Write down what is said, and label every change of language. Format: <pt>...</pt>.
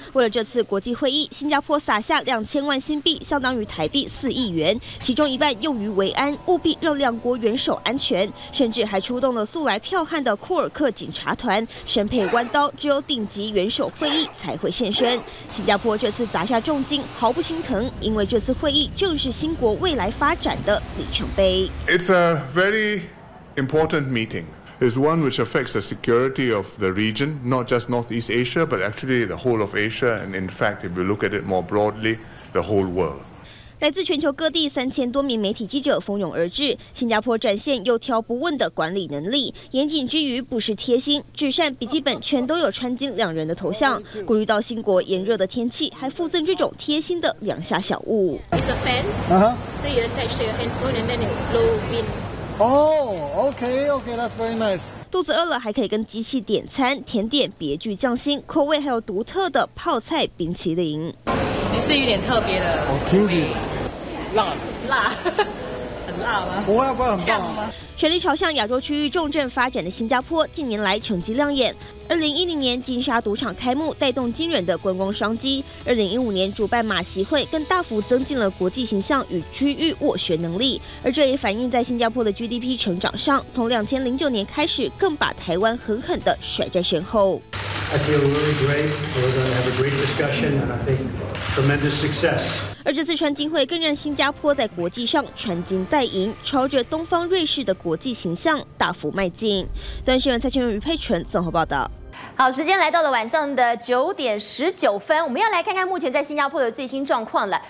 <zh>为了这次国际会议，新加坡撒下2000万新币，相当于台币4亿元，其中一半用于维安，务必让两国元首安全，甚至还出动了素来剽悍的库尔克警察团，身佩弯刀，只有顶级元首会议才会现身。新加坡这次砸下重金毫不心疼，因为这次会议正是新国未来发展的里程碑。</zh> <en>It's a very important meetingis one which affects the security of the region, not just Northeast Asia, but actually the whole of Asia, and in fact, if we look at it more broadly, the whole world.</en> <zh>来自全球各地3000多名媒体记者蜂拥而至，新加坡展现又挑不问的管理能力，严谨之余不失贴心，纸扇、笔记本全都有川金两人的头像。顾虑到新国炎热的天气，还附赠这种贴心的两下小物。</zh> <en>It's a fan, so you attach to your handphone and then it blow wind. Oh, okay, that's very nice.</en> <zh>肚子饿了还可以跟机器点餐，甜点别具匠心，口味还有独特的泡菜冰淇淋。</zh> <en>Maybe</en> <zh>是有点特别的。好听的。辣。辣。很辣吗？不会不会很呛吗？全力朝向亚洲区域重镇发展的新加坡，近年来成绩亮眼。 2010年金沙赌场开幕，带动惊人的观光商机。 2015年主办马习会，更大幅增进了国际形象与区域斡旋能力。而这也反映在新加坡的 GDP 成长上，从2009年开始，更把台湾狠狠地甩在身后。</zh> <en>I feel really great. We're going to have a great discussion, and I think tremendous success.</en> <zh>而这次川金会更让新加坡在国际上穿金戴银，朝着东方瑞士的国际形象大幅迈进。短讯员蔡清源、余佩纯综合报道。好，时间来到了晚上的9:19，我们要来看看目前在新加坡的最新状况了。</zh>